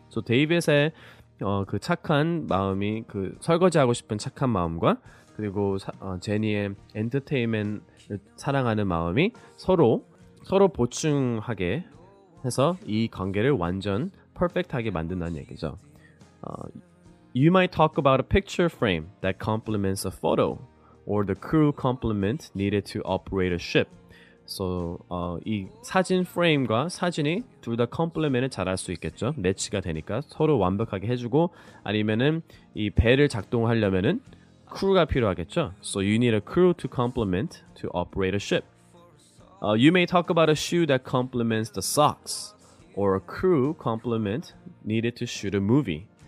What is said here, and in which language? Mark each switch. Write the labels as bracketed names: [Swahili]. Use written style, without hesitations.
[Korean] So David의 그 착한 마음이, 그 설거지하고 싶은 착한 마음과 그리고 제니의 엔터테인먼트를 사랑하는 마음이 서로 보충하게 해서 이 관계를 완전 퍼펙트하게 만든다는 얘기죠. [English] You might talk about a picture frame that complements a photo or the crew complement needed to operate a ship. [Korean] So 이 사진 프레임과 사진이 둘 다 컴플리멘트 잘할 수 있겠죠. 매치가 되니까 서로 완벽하게 해주고, 아니면은 이 배를 작동하려면은 crew가 필요하겠죠. [English] So you need a crew to complement to operate a ship. You may talk about a shoe that complements the socks or a crew complement needed to shoot a movie.